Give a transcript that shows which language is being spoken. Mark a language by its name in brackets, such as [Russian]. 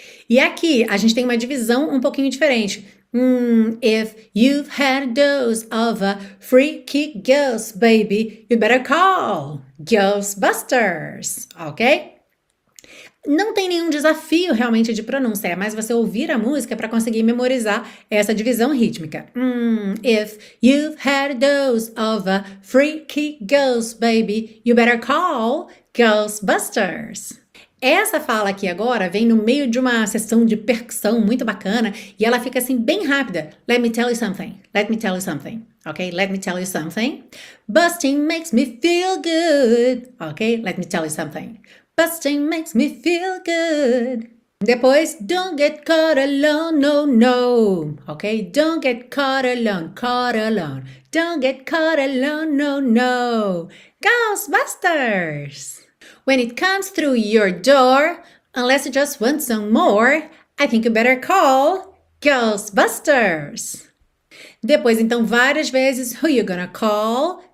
[Portuguese] E aqui a gente tem uma divisão um pouquinho diferente. [English] If you've had a dose of a freaky ghost, baby, you better call Ghostbusters, ok? [Portuguese] Não tem nenhum desafio realmente de pronúncia, é mais você ouvir a música para conseguir memorizar essa divisão rítmica. [English] If you've had a dose of a freaky ghost, baby, you better call Ghostbusters. [Portuguese] Essa fala aqui agora vem no meio de uma sessão de percussão muito bacana e ela fica assim bem rápida. [English] Let me tell you something. Let me tell you something. Ok? Let me tell you something. Busting makes me feel good. Ok? Let me tell you something. Busting makes me feel good. [Portuguese] Depois, [English] don't get caught alone, no, no. Ok? Don't get caught alone, caught alone. Don't get caught alone, no, no. Ghostbusters! When it comes through your door, unless you just want some more, I think you better call Ghostbusters. [Portuguese] Depois, então, várias vezes, [English] who you gonna call?